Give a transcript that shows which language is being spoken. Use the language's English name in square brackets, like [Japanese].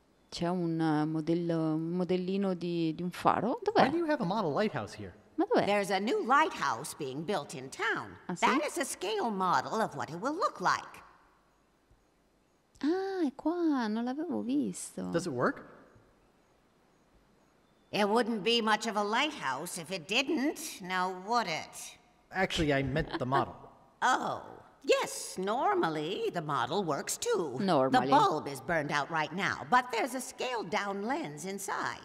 [Italian] C'è un modellino di un faro? Dov'è? [English] Why do you have a model lighthouse here? [Italian] Ma dov'è? [English] There's a new lighthouse being built in town. [Italian] Ah, [English] that [Italian] sì? [English] is a scale model of what it will look like. [Italian] Ah, è qua, non l'avevo visto. [English] Does it work? It wouldn't be much of a lighthouse if it didn't, now would it? Actually, I meant the model. Oh. Yes, normally the model works too. Normally. The bulb is burned out right now, but there's a scaled down lens inside.